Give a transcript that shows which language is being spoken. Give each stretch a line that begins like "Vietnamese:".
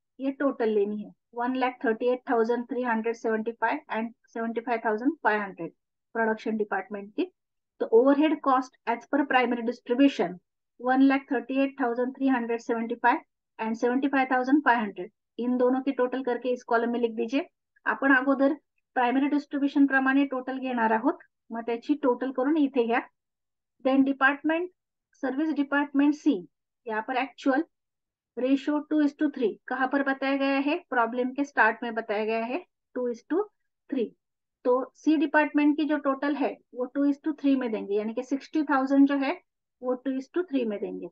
Hindi: ये टोटल लेनी है 1,38,375 एंड 75,500 प्रोडक्शन डिपार्टमेंट की। तो overhead cost as per primary distribution 1,38,375 and 75,500, इन दोनों की टोटल करके इस कॉलम में लिख दीजिए।
Marathi: आपण अगोदर प्राइमरी डिस्ट्रीब्यूशन प्रमाणे टोटल घेणार आहोत, मग त्याची टोटल करून इथे घ्या।
Hindi: देन डिपार्टमेंट सर्विस डिपार्टमेंट सी, यहाँ पर एक्चुअल रेशियो 2:3 कहाँ पर बताया गया है, प्रॉब्लम के स्टार्ट में बताया गया है 2:3। तो सी डिपार्टमेंट की जो टोटल है वो 2:3 में देंगे, यानी कि 60,000 जो है वो 2:3 में देंगे।